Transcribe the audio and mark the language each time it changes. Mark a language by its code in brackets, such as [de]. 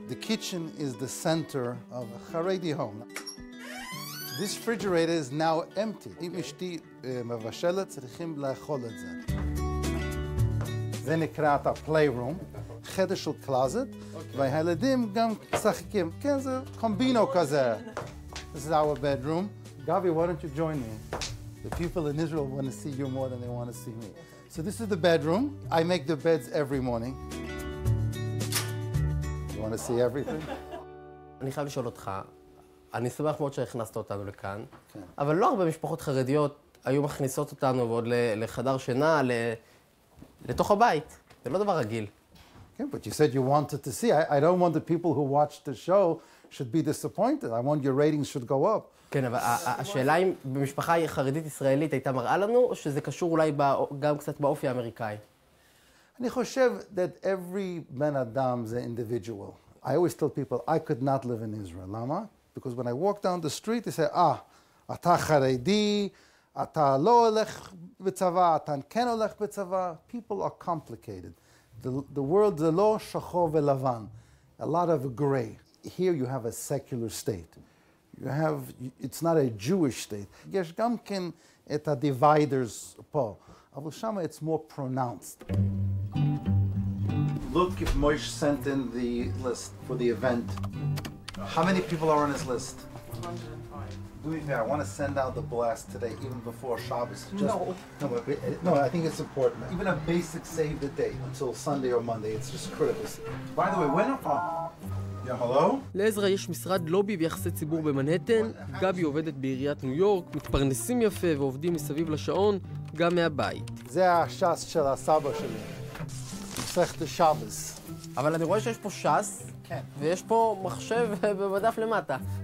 [en] The kitchen is the center of a Haredi home. This refrigerator is now empty. [he] אם אשתי מבשלת, צריכים לאכול את זה. זה נקרא את הפליירום, חדר של קלאזט, והילדים גם שחקים. כן, זה קומבינו כזה. [en] This is our bedroom. Gavi, why don't you join me? The people in Israel want to see you more than they want to see me. So this is the bedroom. I make the beds every morning. You want to see everything? [he] אני חייב לשאול אותך, אני שמח מאוד שהכנסת אותנו לכאן, אבל לא הרבה משפחות חרדיות היו מכניסות אותנו ועוד לחדר שינה, לתוך הבית. זה לא דבר רגיל. [en] כן, but you said you wanted to see. I don't want the people who watch the show should be disappointed. I want your ratings should go up. [he] כן, אבל השאלה אם במשפחה חרדית ישראלית הייתה מראה לנו, או שזה קשור אולי גם קצת באופי האמריקאי? אני חושב [en] that every [he] בן אדם זה individual. [en] I always tell people I could not live in Israel. [he] למה? [en] Because when I walk down the street, they say, [he] אתה חרדי, אתה לא הולך בצבא, אתה כן הולך בצבא. [en] People are complicated. The world [he] זה לא שחור ולבן. [en] A lot of gray. Here you have a secular state. You have, it's not a Jewish state. [he] יש גם כן את ה-dividers פה. אבל שם [en] it's more pronounced. Look if Moish sent in the list for the event. How many people are on his list? 105. Do me a favor, I want to send out the blast today, even before Shabbos. Just, no, I think it's important. Even a basic save the date until Sunday or Monday, it's just critical. By the way, when are from? [he] לעזרא יש משרד לובי ויחסי ציבור במנהטן, גבי עובדת בעיריית ניו יורק, מתפרנסים יפה ועובדים מסביב לשעון, גם מהבית. זה השס של הסבא שלי, מסכת שבת. אבל אני רואה שיש פה שס, ויש פה מחשב במדף למטה.